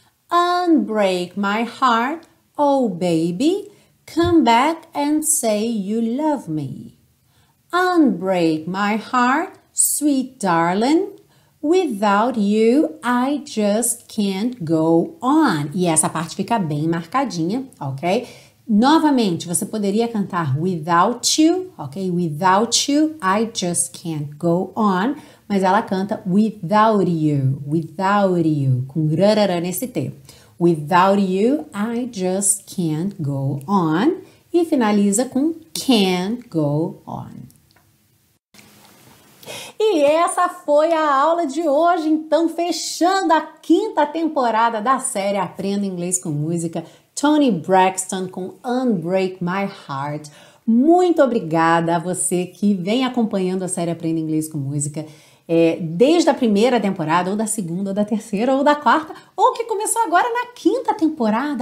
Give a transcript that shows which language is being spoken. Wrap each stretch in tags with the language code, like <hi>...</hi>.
<en>unbreak my heart, oh baby, come back and say you love me, unbreak my heart, sweet darling, without you, I just can't go on.</en> <pt>E essa parte fica bem marcadinha, ok? Novamente, você poderia cantar</pt> <en>without you,</en> <pt>ok?</pt> <en>Without you, I just can't go on.</en> <pt>Mas ela canta</pt> <en>without you,</en> <pt>com rarara nesse T.</pt> <en>Without you, I just can't go on.</en> <pt>E finaliza com</pt> <en>can't go on.</en> <pt>E essa foi a aula de hoje, então fechando a quinta temporada da série Aprenda Inglês com Música, Toni Braxton com Unbreak My Heart. Muito obrigada a você que vem acompanhando a série Aprenda Inglês com Música desde a primeira temporada, ou da segunda, ou da terceira, ou da quarta, ou que começou agora na quinta temporada.</pt>